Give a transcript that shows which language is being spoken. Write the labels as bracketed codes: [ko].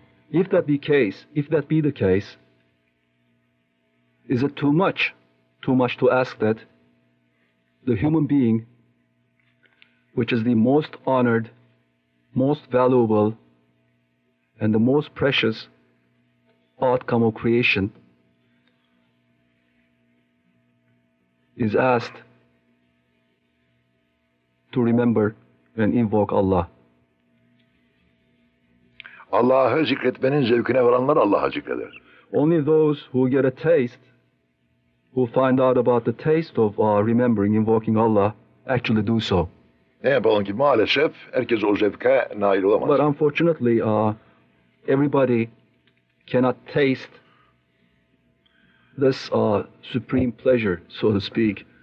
[en] If that be the case, is it too much to ask that the human being, which is the most honored, most valuable, and the most precious outcome of creation, is asked to remember and invoke Allah? [tr] Allah'ı zikretmenin zevkine varanlar Allah'ı zikreder. [en] Only those who get a taste, who find out about the taste of remembering, invoking Allah, actually do so. [tr] Ne yapalım ki maalesef herkes o zevke nail olamaz. [en] But unfortunately, everybody cannot taste this supreme pleasure, so to speak.